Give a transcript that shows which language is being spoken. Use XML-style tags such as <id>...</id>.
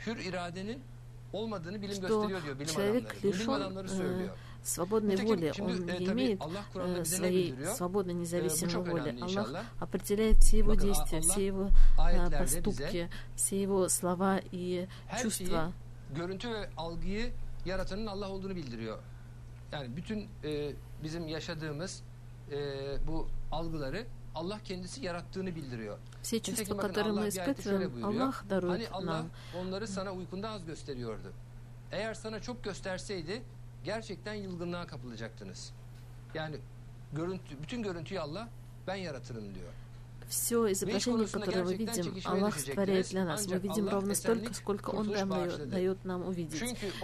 <ru>Что человек лишен свободной воли, он не имеет своей свободной независимой воли. Аллах определяет все его действия, все его поступки, все его слова и чувства.</ru> <tr>Görüntü ve algıyı yaratanın Allah olduğunu bildiriyor. Yani bütün bizim yaşadığımız bu algıları Allah kendisi yarattığını bildiriyor.</tr> <ru>Все чувства, которые мы испытываем, Allah дарует нам.</ru> <tr>Hani Allah onları sana uykunda az gösteriyordu. Eğer sana çok gösterseydi gerçekten yılgınlığa kapılacaktınız. Yani görüntü, bütün görüntüyü Allah ben yaratırım diyor.</tr> <ru>Все изображение, которое мы видим, Аллах творяет для нас. Мы видим ровно столько, сколько Он дает нам увидеть.</ru>